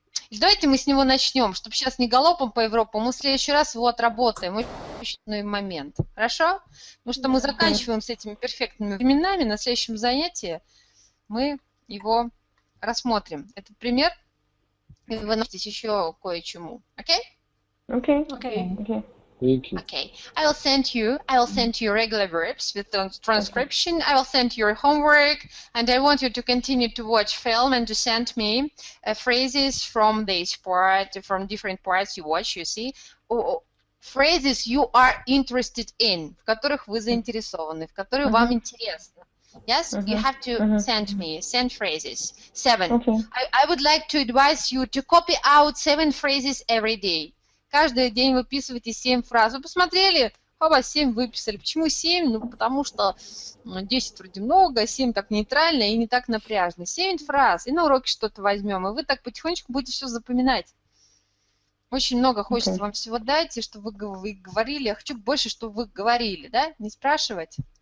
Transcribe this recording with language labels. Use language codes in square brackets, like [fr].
[ru] Давайте мы с него начнем, чтобы сейчас не галопом по Европе, мы в следующий раз его отработаем. Очередной момент. Хорошо? Потому что мы заканчиваем с этими перфектными временами на следующем занятии. Мы его рассмотрим. Этот пример. И вы научитесь еще кое-чему. Окей? Окей. Окей. [en] Thank you. Okay. I will send you regular verbs with transcription. Okay. I will send your homework. And I want you to continue to watch film and to send me phrases from this part, from different parts you watch, you see. Phrases you are interested in, [ru] в которых вы заинтересованы, в которых вам интересно. [en] Yes, you have to send me, send phrases. 7. Okay. I would like to advise you to copy out 7 phrases every day. [ru] Каждый день выписывайте 7 фраз. Вы посмотрели? Хоба, 7 выписали. Почему 7? Ну, потому что 10 вроде много, 7 так нейтрально и не так напряжно. 7 фраз, и на уроке что-то возьмем, и вы так потихонечку будете все запоминать. Очень много хочется вам всего дать, и чтобы вы говорили. Я хочу больше, чтобы вы говорили, да? Не спрашивать.